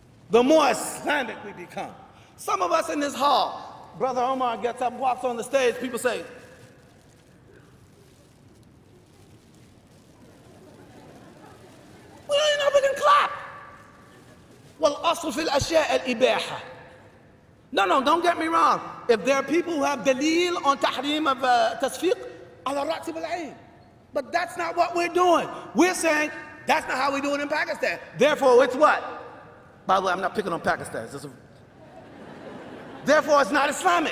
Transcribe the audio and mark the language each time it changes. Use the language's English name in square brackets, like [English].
[English] The more Islamic we become. Some of us in this hall, Brother Omar gets up, walks on the stage, people say, we don't even know if we can clap. [Arabic] Well, أصل في الأشياء الإباحة. [English] No, no, don't get me wrong. If there are people who have دليل on تحريم of تصفيق, [Arabic] على رأس بالعين. [English] But that's not what we're doing. We're saying, that's not how we do it in Pakistan. Therefore, it's what? By the way, I'm not picking on Pakistan. Therefore, it's not Islamic.